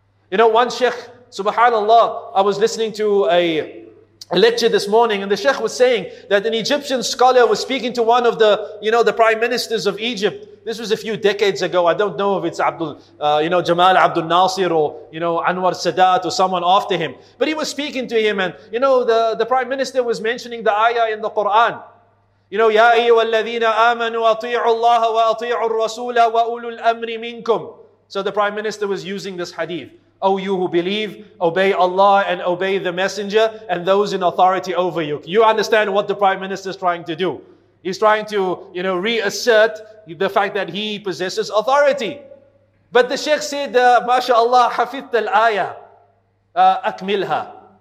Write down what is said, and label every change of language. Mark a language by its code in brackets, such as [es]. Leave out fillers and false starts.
[en] You know, one sheikh, subhanallah, I was listening to a lecture this morning, and the sheikh was saying that an Egyptian scholar was speaking to one of the, you know, the prime ministers of Egypt. This was a few decades ago. I don't know if it's Jamal Abdel Nasser or, you know, Anwar Sadat or someone after him. But he was speaking to him, and, you know, the prime minister was mentioning the ayah in the Quran. [ar] You know, يَا أَيُّوَا الَّذِينَ آمَنُوا أَطِيعُوا اللَّهَ وَأَطِيعُوا الرَّسُولَ وَأُولُوا الْأَمْرِ مِنْكُمْ. [en] So the prime minister was using this hadith. O you who believe, obey Allah and obey the messenger and those in authority over you. You understand what the prime minister is trying to do. He's trying to, you know, reassert the fact that he possesses authority. But the sheikh said, MashaAllah, [ar] حَفِظْتَ الْآيَةَ أَكْمِلْهَا.